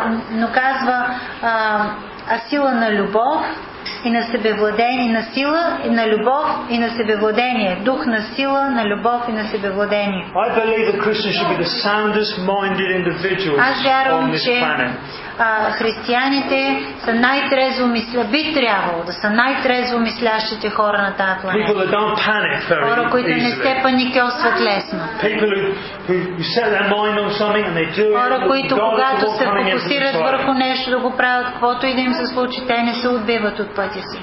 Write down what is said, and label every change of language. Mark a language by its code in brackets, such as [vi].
[bg] Но казва, а сила на любов и на себевладение, на сила и на любов и на себевладение, дух на сила, на любов и на себевладение. [en] I believe that Christians should be the soundest minded individuals. [bg] Аз вярвам, че християните са най-трезвомислящите хора на тази планета. [en] People that don't panic very easily. [bg] Хора, които не се паникьосват лесно. [en] People who set their mind on something and they do it. [bg] Хора, които когато се фокусират върху нещо да го правят, каквото и да им се случи, те не се отбиват от пътя си.